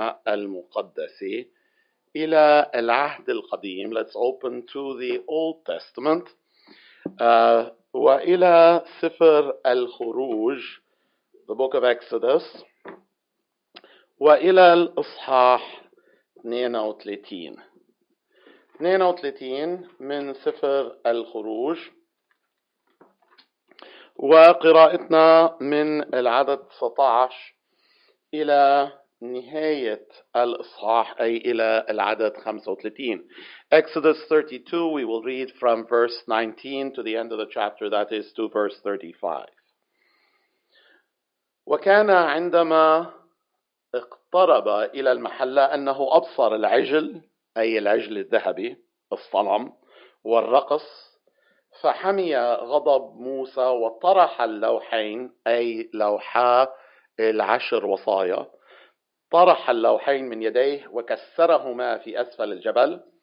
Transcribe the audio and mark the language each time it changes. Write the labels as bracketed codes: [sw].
[ar] المقدس إلى العهد القديم. [en] Let's open to the Old Testament. [ar] وإلى سفر الخروج, [en] the book of Exodus, [ar] وإلى الإصحاح 32. 32 من سفر الخروج, وقراءتنا من العدد 19 إلى نهاية الإصحاح, أي إلى العدد 35. [en] Exodus 32, we will read from verse 19 to the end of the chapter, that is to verse 35. [ar] وكان عندما اقترب إلى المحلة أنه أبصر العجل, أي العجل الذهبي, الصنم والرقص, فحمي غضب موسى وطرح اللوحين, أي لوحا العشر وصايا, طرح اللوحين من يديه وكسرهما في أسفل الجبل.